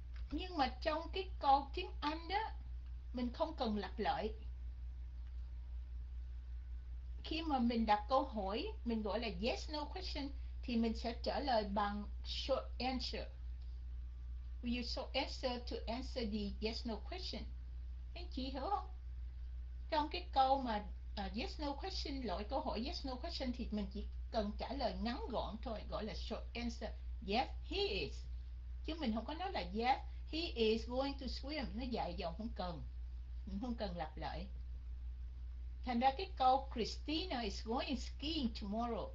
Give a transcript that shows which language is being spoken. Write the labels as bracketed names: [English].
[Vietnamese] Nhưng mà trong cái câu tiếng Anh đó, mình không cần lặp lại. Khi mà mình đặt câu hỏi, mình gọi là yes no question, thì mình sẽ trả lời bằng short answer. [English] We use short answer to answer the yes no question. [Vietnamese] Anh chị hiểu không? Trong cái câu mà yes no question, loại câu hỏi yes no question, thì mình chỉ cần trả lời ngắn gọn thôi, gọi là short answer. [English] Yes, he is. [Vietnamese] Chứ mình không có nói là [English] yes, he is going to swim. [Vietnamese] Nó dài dòng không cần. Mình không cần lặp lại. Thành ra cái câu [English] Christina is going skiing tomorrow.